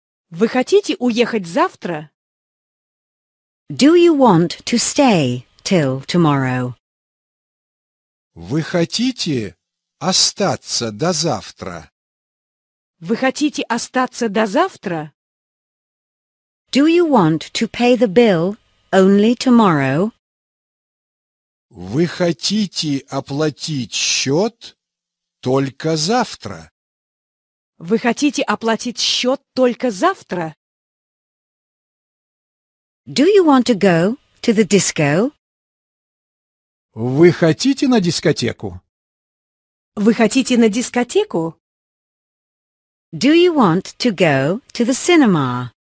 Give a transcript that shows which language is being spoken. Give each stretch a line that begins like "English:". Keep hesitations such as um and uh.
Russian: Вы хотите уехать завтра?
English: Do you want to stay till tomorrow?
Russian: Вы хотите остаться до завтра? Вы хотите остаться до завтра?
English: Do you want to pay the bill only tomorrow?
Russian: Вы хотите оплатить счет только завтра? Вы хотите оплатить счет только завтра?
English: Do you want to go to the disco?
Russian: Вы хотите на дискотеку? Вы хотите на дискотеку?
English: Do you want to go to the cinema?